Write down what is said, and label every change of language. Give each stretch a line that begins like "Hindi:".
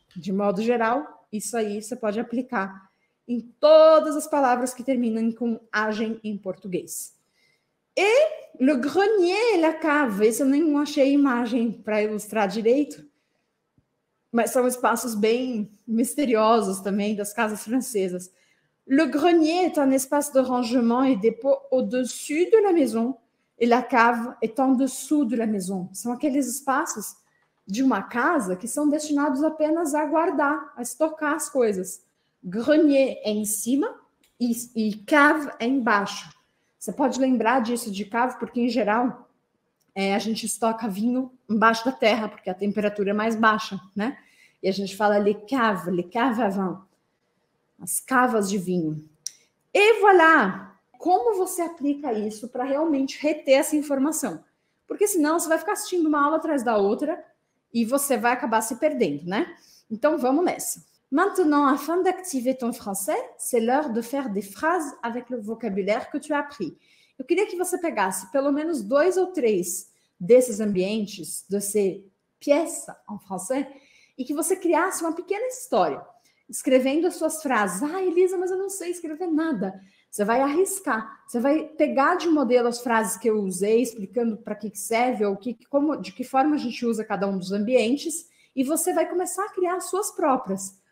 Portuguese: De modo geral, isso aí você pode aplicar em todas as palavras que terminam com agem em português. E
French: le grenier et la cave,
Portuguese: esse eu nem achei imagem para ilustrar direito, mas são espaços bem misteriosos também das casas francesas.
French: Le grenier est un espace de rangement et dépôt au-dessus de la maison et la cave est en dessous de la maison.
Portuguese: São aqueles espaços de uma casa que são destinados apenas a guardar, a estocar as coisas. Grenier é em cima e cave é embaixo. Você pode lembrar disso de cave porque, em geral, a gente estoca vinho embaixo da terra porque a temperatura é mais baixa, né? E a gente fala les caves à vin. As cavas de vinho. E voilà! Como você aplica isso para realmente reter essa informação? Porque senão você vai ficar assistindo uma aula atrás da outra e você vai acabar se perdendo, né? Então vamos nessa.
French: Maintenant, afin d'activer ton français, c'est l'heure de faire des phrases avec le vocabulaire que tu as appris.
Portuguese: Eu queria que você pegasse pelo menos dois ou três desses ambientes,
French: de ces pièces en français,
Portuguese: e que você criasse uma pequena história. escrevendo as suas frases. Ah, Elisa, mas eu não sei escrever nada. Você vai arriscar, você vai pegar de modelo as frases que eu usei, explicando para que serve, ou de que forma a gente usa cada um dos ambientes, e você vai começar a criar as suas próprias.